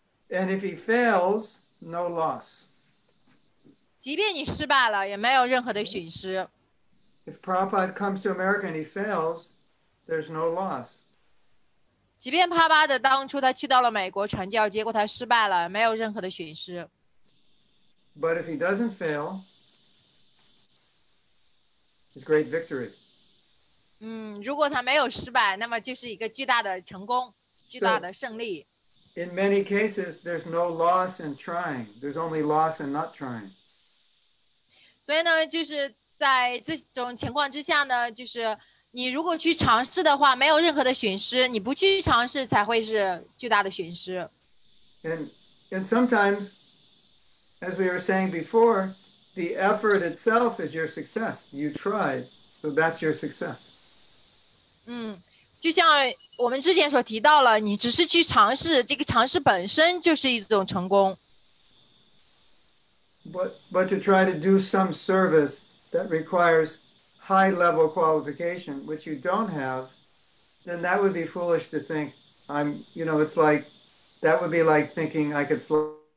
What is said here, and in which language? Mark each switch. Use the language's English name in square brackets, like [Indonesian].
[English] And if he fails, no loss. [Chinese] 即便你失败了，也没有任何的损失。 [English] If Prabhupada comes to America and he fails, there's no loss. [Chinese] 即便帕巴的当初他去到了美国传教，结果他失败了，没有任何的损失。 [English] But if he doesn't fail, it's great victory. [Chinese] 如果他没有失败，那么就是一个巨大的成功，巨大的胜利。 [English] So, in many cases, there's no loss in trying. There's only loss in not trying. [Chinese] 所以呢，就是在这种情况之下呢，就是你如果去尝试的话，没有任何的损失。你不去尝试，才会是巨大的损失。 [English] And sometimes, as we were saying before, the effort itself is your success. You tried, so that's your success. [Chinese] 嗯，就像我们之前所提到了，你只是去尝试，这个尝试本身就是一种成功。 [English] But to try to do some service that requires high level qualification, which you don't have, then that would be foolish to think I'm, you know, it's like, that would be like thinking I could fly.